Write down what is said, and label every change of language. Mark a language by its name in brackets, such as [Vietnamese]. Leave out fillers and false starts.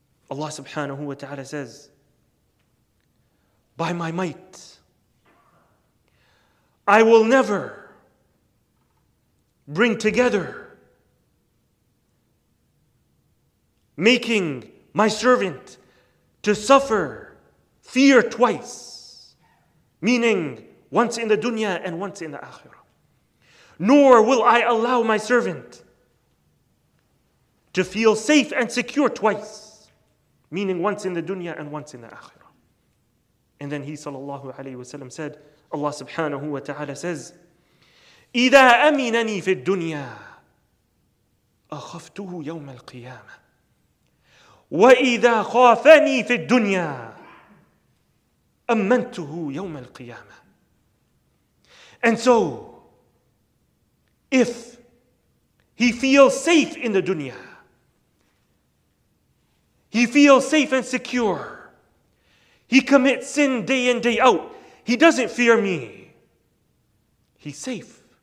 [English] Allah subhanahu wa ta'ala says, by my might, I will never bring together, making my servant to suffer fear twice, meaning once in the dunya and once in the akhirah. Nor will I allow my servant to feel safe and secure twice, meaning once in the dunya and once in the akhirah. And then he sallallahu alayhi wa sallam said, Allah subhanahu wa ta'ala says, [Arabic] إِذَا أَمِنَنِي فِي الدُّنْيَا أَخَفْتُهُ يَوْمَ الْقِيَامَةِ وَإِذَا خَافَنِي فِي الدُّنْيَا أَمَّنْتُهُ يَوْمَ الْقِيَامَةِ. [English] And so, if he feels safe in the dunya, he feels safe and secure, he commits sin day in, day out, he doesn't fear me, he's safe.